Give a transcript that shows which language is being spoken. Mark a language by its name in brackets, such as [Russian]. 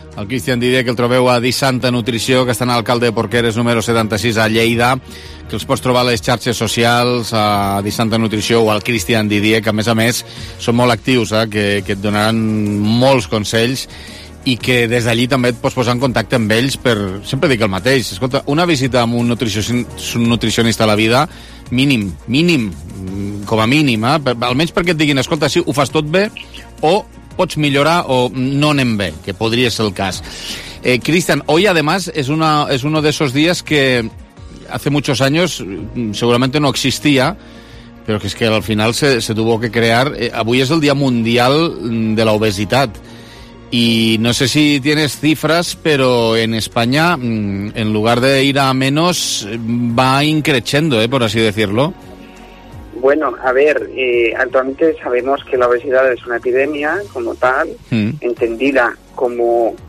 [Catalan] El Cristian Didier, que el trobeu a Disanta Nutrició, que està en l'alcalde de Porqueres número 76 a Lleida, que els pots trobar a les xarxes socials, a Disanta Nutrició o al Cristian Didier, que a més són molt actius, que et donaran molts consells i que des d'allí també et pots posar en contacte amb ells per... Sempre dic el mateix. Escolta, una visita amb un nutricionista a la vida, mínim, com a mínim, almenys perquè et diguin, escolta, sí, ho fas tot bé o pots millorar o no anem bé, que podria ser el cas. [Spanish] Cristian, hoy, además, es uno de esos días que hace muchos años seguramente no existía, pero que es que al final se tuvo que crear. [Catalan] Avui és el Dia Mundial de la Obesitat. [Spanish] Y no sé si tienes cifras, pero en España, en lugar de ir a menos, va increciendo, por así decirlo. Bueno, a ver, actualmente sabemos que la obesidad es una epidemia como tal, entendida como